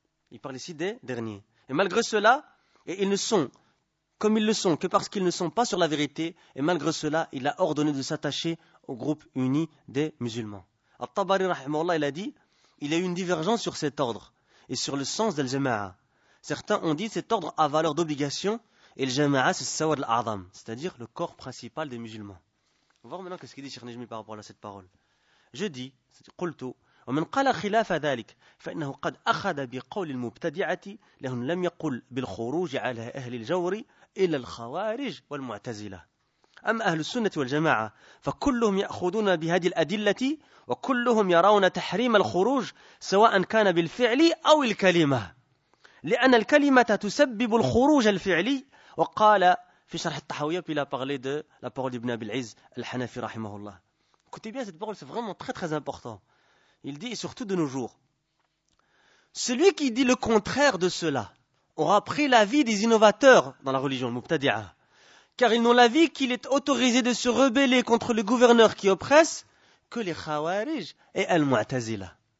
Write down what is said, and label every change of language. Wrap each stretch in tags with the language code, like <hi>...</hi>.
<fr>Il parle ici des derniers. Et malgré cela, et ils ne sont comme ils le sont que parce qu'ils ne sont pas sur la vérité, et malgré cela, il a ordonné de s'attacher au groupe uni des musulmans. Al-Tabari rahimahullah, il a dit, il y a eu une divergence sur cet ordre et sur le sens de l'Jama'a. Certains ont dit cet ordre a valeur d'obligation et le jama'a c'est sawad al-a'zam, c'est-à-dire le corps principal des musulmans. On va voir maintenant ce qu'il dit Cheikh Najmi par rapport à cette parole. Je dis,</fr> <ar>قلتو ومن قال خلاف ذلك فإنه قد أخذ بقول المبتدعة لهم لم يقل بالخروج على أهل الجور إلا الخوارج والمعتزلة. أما أهل السنة والجماعة فكلهم يأخذون بهذه الأدلة وكلهم يرون تحريم الخروج سواء كان بالفعل أو الكلمة. لأن الكلمة تسبب الخروج الفعلي وقال في شرح التحاوية بلا</ar> <fr>parlé de la parole d'Ibn Abi al-Izz al-Hanafi rahimahullah. Écoutez bien cette parole, c'est vraiment très très important. Il dit, et surtout de nos jours, celui qui dit le contraire de cela aura pris l'avis des innovateurs dans la religion, le Mubtadi'a, car ils n'ont l'avis qu'il est autorisé de se rebeller contre le gouverneur qui oppresse que les Khawarij et Al-Mu'tazila.</fr>